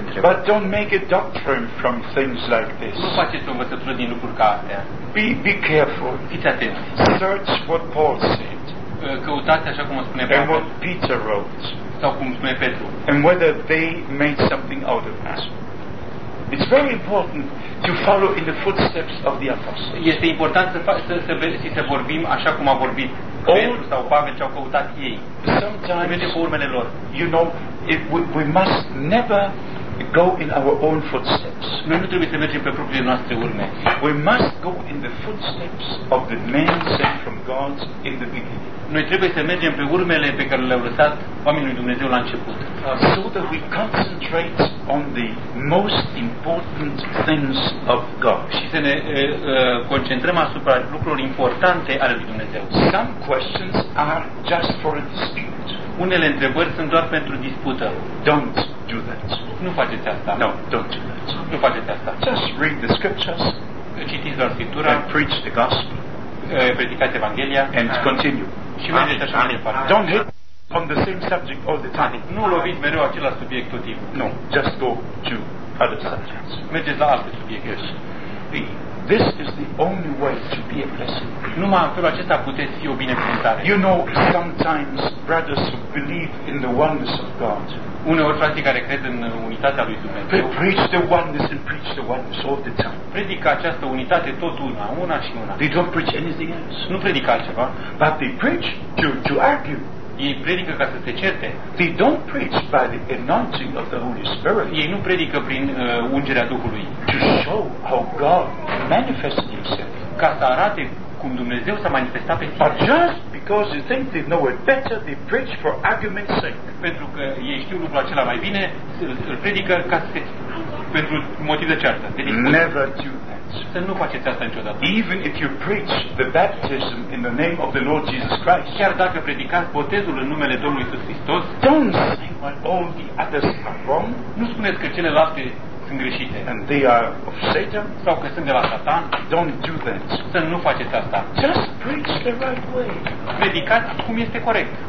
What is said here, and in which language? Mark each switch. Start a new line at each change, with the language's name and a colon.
English: But don't make a doctrine from things like this.
Romanian: Nu faceți o învățătură din lucruri ca astea.
English: Be careful.
Romanian: Fiți atenți.
English: Search what Paul said.
Romanian: Căutați așa cum o spune
English: Petru. And what Peter wrote.
Romanian: Sau cum spune Petru.
English: And whether they made something out of it. It's very important to follow in the footsteps of the apostles.
Romanian: Este important să vorbim așa cum a vorbit Petru sau Pavel, ce au căutat ei.
English: Sometimes,
Romanian: pe urmele lor.
English: You know, we must never go in our own footsteps.
Romanian: Noi nu trebuie să mergem pe propriile noastre urme.
English: We must go in the footsteps of the men sent from God in the beginning.
Romanian: Noi trebuie să mergem pe urmele pe care le-au lăsat oamenii lui Dumnezeu la început.
English: So that we concentrate on the most important things of God.
Romanian: Și să ne concentrăm asupra lucrurilor importante ale lui Dumnezeu.
English: Some questions are just for a dispute.
Romanian: Unele întrebări sunt doar pentru dispută.
English: Don't do that.
Romanian: Nu faceți asta.
English: No, don't do that.
Romanian: Nu faceți asta.
English: Just read the scriptures.
Romanian: Citiți doar Scriptura.
English: And preach the gospel.
Romanian: Predicați Evanghelia.
English: And continue.
Romanian: Și mergeți așa mai departe.
English: Don't hit on the same subject all the time.
Romanian: Nu loviți mereu același subiect tot timpul.
English: No, just go to other subjects.
Romanian: Mergeți la alte subiecte.
English: Yes. This is the only way to be a blessing.
Romanian: Numai în felul acesta puteți fi o binecuvântare.
English: You know, sometimes brothers who believe in the oneness of God.
Romanian: Uneori frații care cred în unitatea lui Dumnezeu.
English: They preach the oneness and preach the oneness all the time.
Romanian: Predică această unitate tot una, una și una.
English: They don't preach anything else.
Romanian: Nu predică altceva.
English: But they preach to argue.
Romanian: Ei predică ca să se certe.
English: They don't preach by the anointing of the Holy Spirit.
Romanian: Ei nu predică prin ungerea Duhului.
English: To show how God manifests Himself.
Romanian: Ca să arate cum Dumnezeu s-a manifestat pe sine.
English: But just because they think they know it better, they preach for argument's sake.
Romanian: Pentru că ei știu lucrul acela mai bine, îl predică ca să se pentru motiv de ceartă.
English: Never do that.
Romanian: Să nu faceți asta niciodată.
English: Even if you preach the baptism in the name of the Lord Jesus Christ,
Romanian: chiar dacă predicați botezul în numele Domnului Iisus Hristos,
English: don't say what all the others are wrong.
Romanian: Nu spuneți că celelalte sunt greșite.
English: And they are of Satan.
Romanian: Sau că sunt de la Satan.
English: Don't do that.
Romanian: Să nu faceți asta.
English: Just preach the right way.
Romanian: Predicați cum este corect.